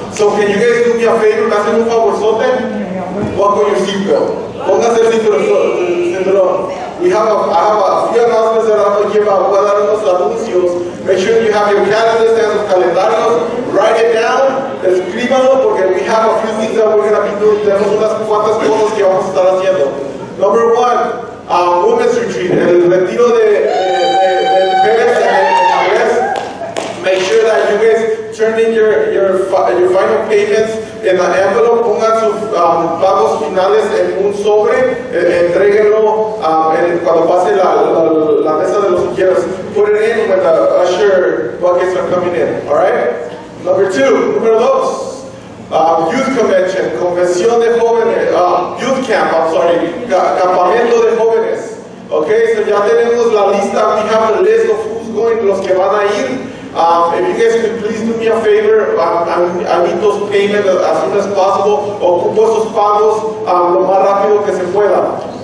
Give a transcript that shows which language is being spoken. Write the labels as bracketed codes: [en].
[en] So can you guys do me a favor? [es] Me hacen un favorzote. [en] Buckle your seatbelt. [es] Póngase el cinturón. [en] I have a few announcements that I'm going to give out. [es] Voy a dar unos anuncios. [en] Make sure you have your calendars and your calendarios. Write it down. [es] Escríbalo porque [en] we have a few things that we're going to be doing. [es] Tenemos unas cuantas cosas que vamos a estar haciendo. [en] Number one, women's retreat. [es] El retiro de mujeres en el Congreso. [en] Make sure that you guys turn in your final payments in an envelope. [es] Pongan sus pagos finales en un sobre. Entréguenlo cuando pase la mesa de los ujieros. [en] Put it in when the usher buckets are coming in. All right? Number two, [es] número dos, [en] youth convention, [es] convención de jóvenes, [en] youth camp, I'm sorry, [es] campamento de jóvenes. [en] Okay, so [es] ya tenemos la lista, [en] we have a list of who's going, [es] los que van a ir. [en] If you guys could please do me a favor, I need those payments as soon as possible. [es] Ocupo esos pagos lo más rápido que se pueda.